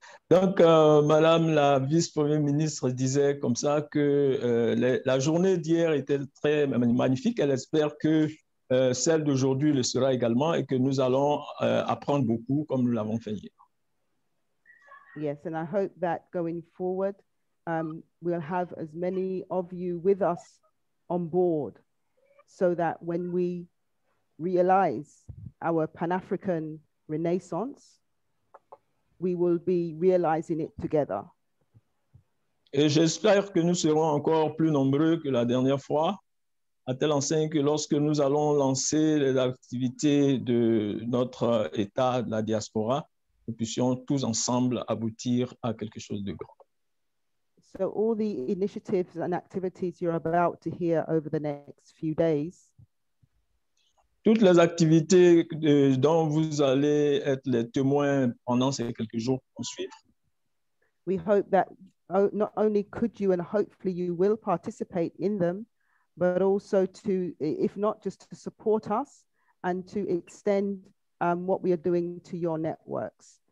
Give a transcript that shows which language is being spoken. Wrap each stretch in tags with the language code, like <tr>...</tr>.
<fr>Donc, Madame la vice-première ministre disait comme ça que la journée d'hier était très magnifique. Elle espère que celle d'aujourd'hui le sera également et que nous allons apprendre beaucoup comme nous l'avons fait hier.</fr> <en>Yes, and I hope that going forward, we'll have as many of you with us on board so that when we realize our Pan-African Renaissance, we will be realizing it together.</en> <fr>Et j'espère que nous serons encore plus nombreux que la dernière fois, à telle enseigne que lorsque nous allons lancer les activités de notre État, la diaspora, nous puissions tous ensemble aboutir à quelque chose de grand.</fr> <en>So all the initiatives and activities you're about to hear over the next few days.</en> <fr>Toutes les activités dont vous allez être les témoins pendant ces quelques jours qui vont suivre.</fr> <en>We hope that not only could you and hopefully you will participate in them, but also to, if not just to support us and to extend what we are doing to your networks.</en>